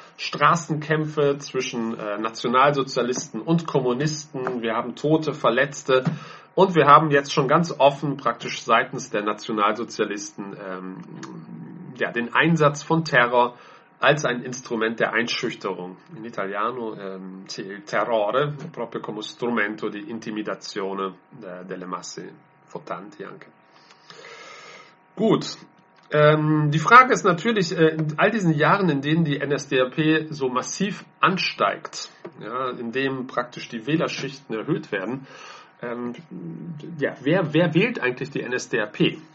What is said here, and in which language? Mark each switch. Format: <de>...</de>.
<de>Straßenkämpfe zwischen Nationalsozialisten und Kommunisten. Wir haben Tote, Verletzte. Und wir haben jetzt schon ganz offen praktisch seitens der Nationalsozialisten den Einsatz von Terror als ein Instrument der Einschüchterung.</de> <it>In Italiano terrore, proprio come strumento di intimidazione delle masse votanti anche.</it> <de>Gut, die Frage ist natürlich, in all diesen Jahren, in denen die NSDAP so massiv ansteigt, ja, in dem praktisch die Wählerschichten erhöht werden, wer wählt eigentlich die NSDAP?</de>